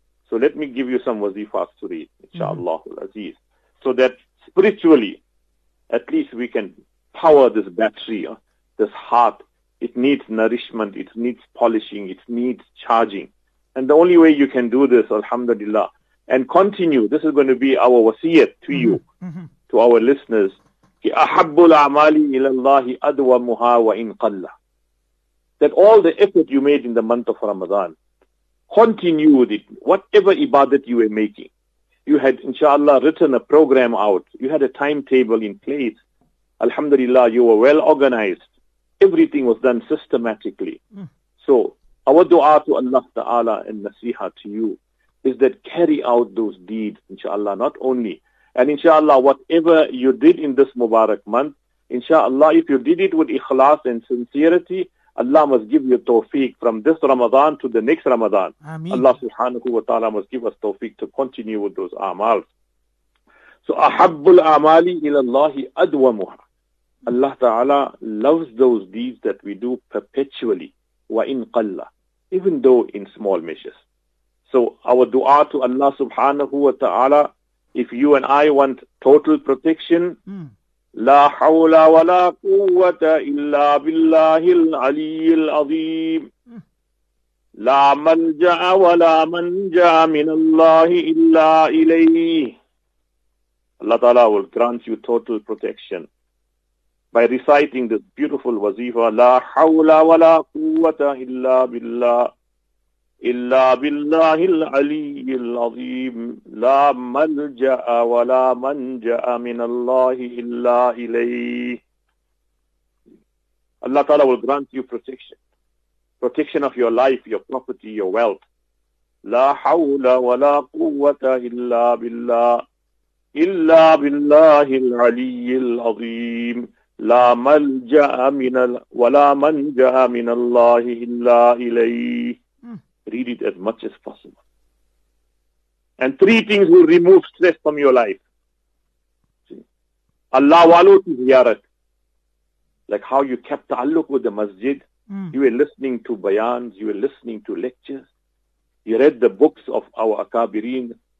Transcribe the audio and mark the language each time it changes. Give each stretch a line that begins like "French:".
English: So let me give you some wazifas to read, inshallah al-Aziz, so that spiritually, at least we can power this battery, this heart. It needs nourishment, it needs polishing, it needs charging. And the only way you can do this, alhamdulillah, and continue, this is going to be our wasiyat to you, to our listeners.
Arabic: أحب الأعمال إلى الله أدومها وإن قل.
English: That all the effort you made in the month of Ramadan, continue with it. Whatever ibadat you were making, you had, inshallah, written a program out. You had a timetable in place. Alhamdulillah, you were well organized. Everything was done systematically. So, our dua to Allah Ta'ala and nasiha to you is that carry out those deeds, inshallah, not only. And inshallah, whatever you did in this Mubarak month, inshallah, if you did it with ikhlas and sincerity, Allah must give you tawfiq from this Ramadan to the next Ramadan. Ameen. Allah subhanahu wa ta'ala must give us tawfiq to continue with those a'mals.
Arabic: So, ahabbul a'mali ilallahi adwamuha.
English: Allah ta'ala loves those deeds that we do perpetually,
Arabic: wa in qalla,
English: even though in small measures. So, our dua to Allah subhanahu wa ta'ala, if you and I want total protection,
Arabic: لا حول ولا قوة إلا بالله العلي العظيم لا منجا ولا منجا من الله إلا إليه.
English: Allah Ta'ala will grant you total protection by reciting this beautiful wazifa.
Arabic: لا حول ولا قوة إلا بالله إلا بالله العلي العظيم لا ملجأ ولا منجأ من الله إلا إليه.
English: Allah Ta'ala will grant you protection. Protection of your life, your property, your wealth.
Arabic: لا حول ولا قوة إلا بالله إلا بالله العلي العظيم لا ملجأ من ولا منجأ من الله إلا إليه.
English: Read it as much as possible. And three things will remove stress from your life. Allah walu tiziyarat. Like how you kept ta'alluq with the masjid. You were listening to bayans. You were listening to lectures. You read the books of our akabirin.